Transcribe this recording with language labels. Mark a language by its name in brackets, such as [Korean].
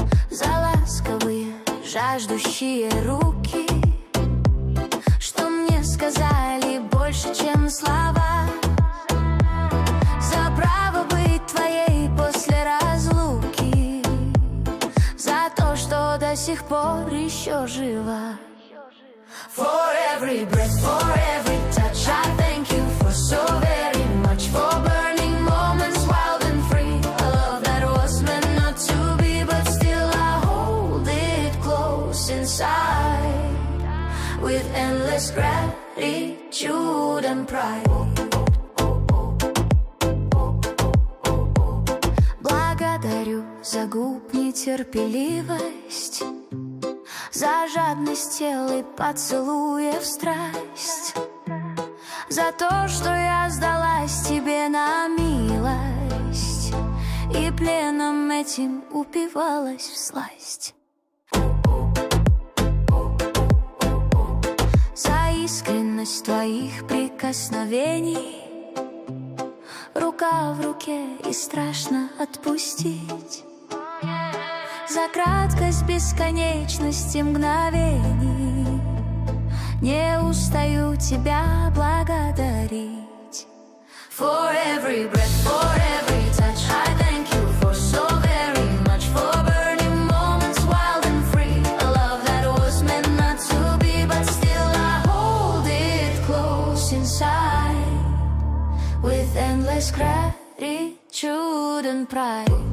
[Russian] За ласковые, жаждущие руки, что мне сказали больше, чем слова, за право быть твоей после разлуки, за то, что до сих пор еще жива. [English] For every breath, for every touch, I thank you for so very much, for burning moments wild and free, a love that was meant not to be, but still I hold it close inside, with endless gratitude and pride. [Russian] Благодарю за губ нетерпеливость, за жадность тела и поцелуя в страсть, за то, что я сдалась тебе на милость и пленом этим упивалась всласть. За искренность твоих прикосновений, рука в руке и страшно отпустить, за краткость бесконечности мгновений, не устаю тебя благодарить. [English] For every breath, for every touch, I thank you for so very much, for burning moments wild and free, a love that was meant not to be, but still I hold it close inside, with endless gratitude and pride.